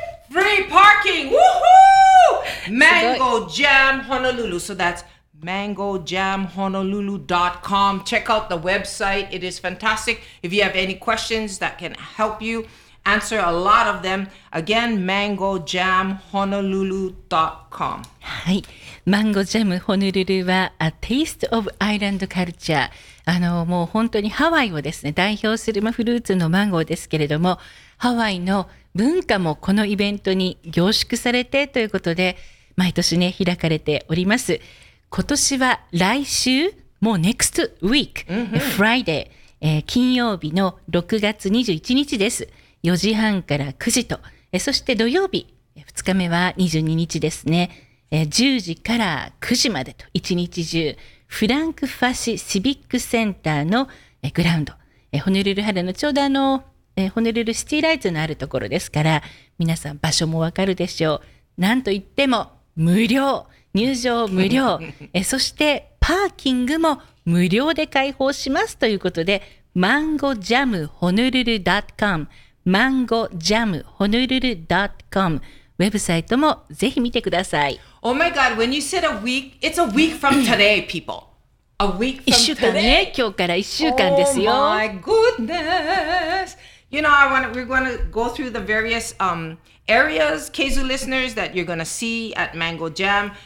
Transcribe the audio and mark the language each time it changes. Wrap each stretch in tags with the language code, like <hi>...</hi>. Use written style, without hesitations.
<en>free parking! Woohoo! Mango Jam Honolulu. So that's mangojamhonolulu.com. Check out the website. It is fantastic. If you have any questions that can help you answer a lot of them, again, mangojamhonolulu.com.</en> <ja>はい。マンゴージャムホノルルは、A Taste of Island Culture。もう本当にハワイをですね、代表するフルーツのマンゴーですけれども、ハワイの文化もこのイベントに凝縮されてということで、毎年ね、開かれております。今年は来週、もう</ja> <en>next week、</en> <ja>mm-hmm. Friday、金曜日の6月21日です。4時半から9時と、そして土曜日、2日目は22日ですね、10時から9時までと、1日中、フランクファシシビックセンターのグラウンド、ホノルル春のちょうどホノルルシティライズのあるところですから、皆さん場所もわかるでしょう。なんといっても無料、入場無料、そしてパーキングも無料で開放しますということで、マンゴジャムホノルル .com、マンゴジャムホノルル .com、ウェブサイトもぜひ見てください。</ja> <en>Oh my god, when you said a week, it's a week from today, people. A week from</en> <ja>1週間、ね、</ja> <en>today.</en> <ja>今日から1週間ですよ。</ja> <en>Oh my goodness. You know, we're going to go through the various areas, Keizu listeners, that you're going to see at Mango Jam.</en>